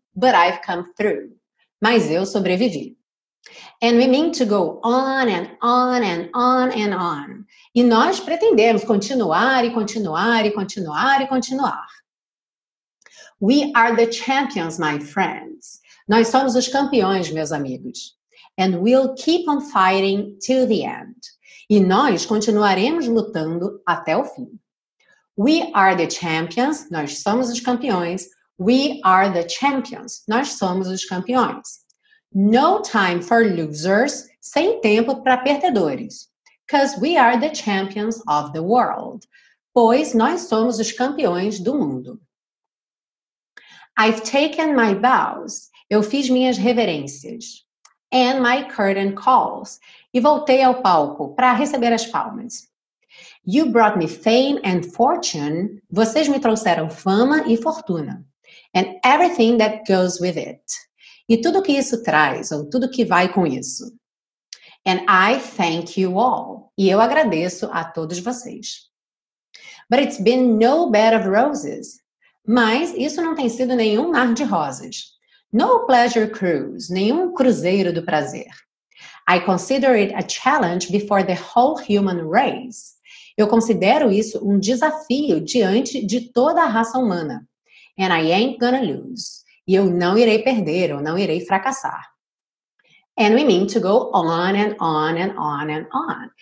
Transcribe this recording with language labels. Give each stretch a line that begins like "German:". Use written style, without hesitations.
English: But I've come through.
Portuguese: Mas eu sobrevivi.
English: And we mean to go on and on and on and on.
Portuguese: E nós pretendemos continuar e continuar e continuar e continuar.
English: We are the champions, my friends.
Portuguese: Nós somos os campeões, meus amigos.
English: And we'll keep on fighting till the end.
Portuguese: E nós continuaremos lutando até o fim.
English: We are the champions.
Portuguese: Nós somos os campeões.
English: We are the champions.
Portuguese: Nós somos os campeões.
English: No time for losers.
Portuguese: Sem tempo para perdedores.
English: Because we are the champions of the world.
Portuguese: Pois nós somos os campeões do mundo.
English: I've taken my bows.
Portuguese: Eu fiz minhas reverências.
English: and my curtain calls.
Portuguese: E voltei ao palco para receber as palmas.
English: You brought me fame and fortune.
Portuguese: Vocês me trouxeram fama e fortuna.
English: And everything that goes with it.
Portuguese: E tudo que isso traz, ou tudo que vai com isso.
English: And I thank you all.
Portuguese: E eu agradeço a todos vocês.
English: But it's been no bed of roses.
Portuguese: Mas isso não tem sido nenhum mar de rosas.
English: No pleasure cruise,
Portuguese: nenhum cruzeiro do prazer.
English: I consider it a challenge before the whole human race.
Portuguese: Eu considero isso um desafio diante de toda a raça humana.
English: And I ain't gonna lose.
Portuguese: E eu não irei perder, eu não irei fracassar.
English: And we mean to go on and on and on and on.